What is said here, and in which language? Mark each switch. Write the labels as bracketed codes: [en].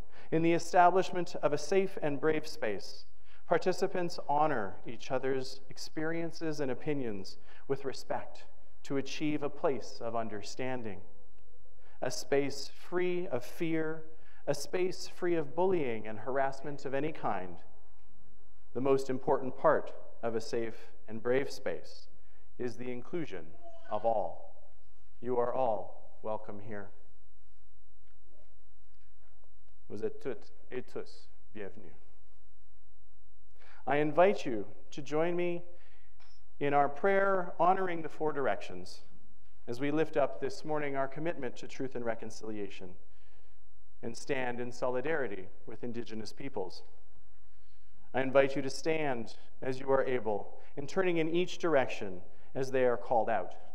[en] In the establishment of a safe and brave space, participants honor each other's experiences and opinions with respect to achieve a place of understanding, a space free of fear, a space free of bullying and harassment of any kind. The most important part of a safe and brave space is the inclusion of all. You are all welcome here. [fr] Vous êtes toutes et tous bienvenus. [en] I invite you to join me in our prayer honoring the four directions as we lift up this morning our commitment to truth and reconciliation and stand in solidarity with Indigenous peoples. I invite you to stand as you are able and turning in each direction as they are called out.